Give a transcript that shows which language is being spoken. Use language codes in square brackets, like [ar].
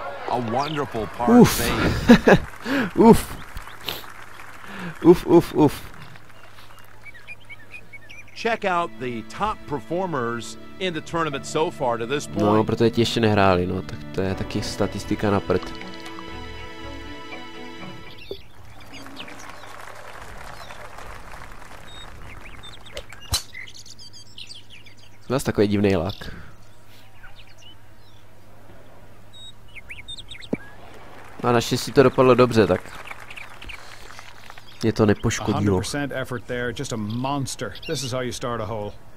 [en] A wonderful par. Uf. Uf. Uf, uf, uf. Check out the top performers in the tournament so far to this point. [cs] No, protože teď ještě nehráli, no, tak to je taky statistika na prd. Zas takový divný lak. A naštěstí to dopadlo dobře, tak mě to nepoškodilo. [en] 100% effort there, just a monster. This is how you start a hole.